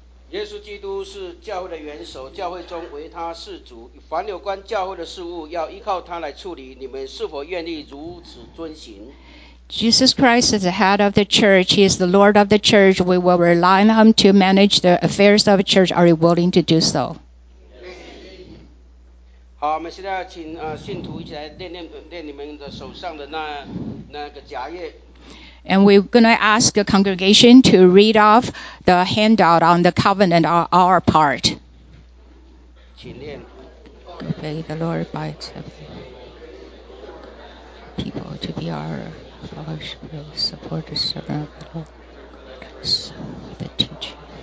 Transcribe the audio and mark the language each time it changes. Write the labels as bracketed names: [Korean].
[English] Jesus Christ is the head of the church. He is the Lord of the church. We will rely on him to manage the affairs of the church. Are you willing to do so? [Chinese] 好，我们现在要请信徒一起来念你们的手上的那个夹页。 [English] And we're going to ask the congregation to read off the handout on the covenant on our part. May the Lord bite people to be our fellowship, support, servant of the Lord, the teacher.